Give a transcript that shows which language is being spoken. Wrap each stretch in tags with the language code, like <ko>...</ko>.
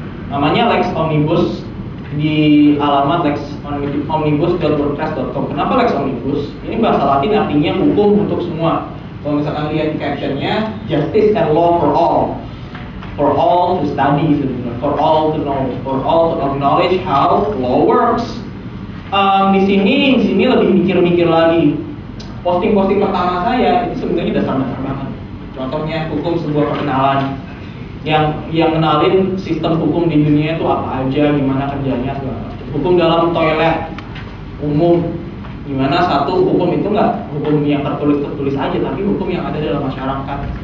<id>Namanya Lex Omnibus, di alamat lexomnibus.wordpress.com. Kenapa Lex Omnibus? Ini bahasa Latin artinya hukum untuk semua. Kalau misalkan lihat captionnya,</id> <en>justice and law for all. For all to study, for all to know, for all to acknowledge how law works.</en> <id>Di sini lebih mikir-mikir lagi. Posting pertama saya itu sebenarnya dasar-dasar banget. Contohnya hukum sebuah perkenalan yang kenalin sistem hukum di dunia itu apa aja, gimana kerjanya segala macam. Hukum dalam toilet umum, gimana satu hukum itu nggak hukum yang tertulis aja, tapi hukum yang ada dalam masyarakat.</id>